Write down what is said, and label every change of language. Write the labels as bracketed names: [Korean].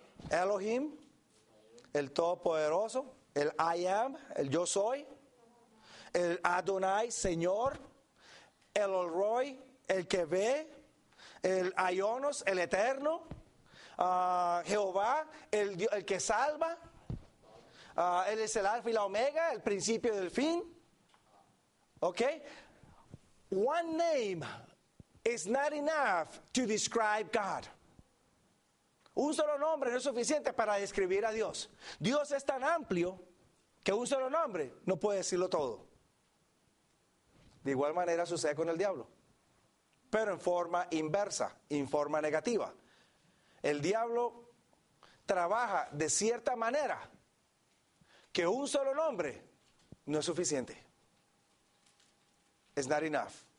[Spanish] Elohim, el Todopoderoso, el I Am, el Yo Soy, el Adonai, Señor, el El Roy, el que ve, el Ayonos, el Eterno, Jehová, el que salva, Él es el Alfa y la Omega, el principio y el fin. [English] Ok. One name is not enough to describe God. [Spanish] Un solo nombre no es suficiente para describir a Dios. Dios es tan amplio que un solo nombre no puede decirlo todo. De igual manera sucede con el diablo, pero en forma inversa, en forma negativa. El diablo trabaja de cierta manera que un solo nombre no es suficiente. [English] It's not enough.